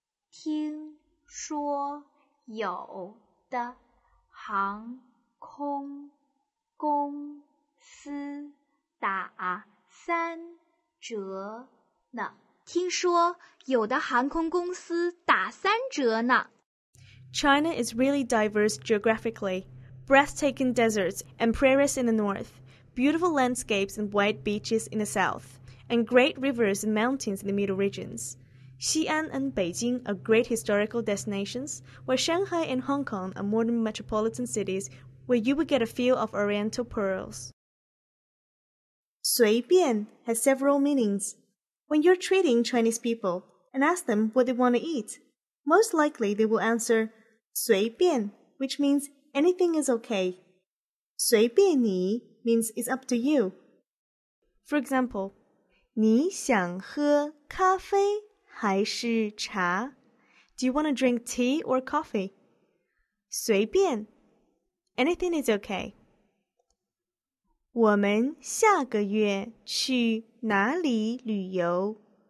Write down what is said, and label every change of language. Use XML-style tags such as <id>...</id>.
<zh>听说有的航空公司打三折呢。听说有的航空公司打三折呢。</zh> <en>China is really diverse geographically. Breathtaking deserts and prairies in the north, beautiful landscapes and white beaches in the south, and great rivers and mountains in the middle regions. Xi'an and Beijing are great historical destinations, while Shanghai and Hong Kong are modern metropolitan cities where you will get a feel of oriental pearls. 随便 has several meanings. When you're treating Chinese people and ask them what they want to eat, most likely they will answer,随便, which means anything is okay. 随便你 means it's up to you. For example,</en> <zh>你想喝咖啡还是茶?</zh> <en>Do you want to drink tea or coffee? 随便, anything is okay.</en> <zh>我们下个月去哪里旅游?</zh>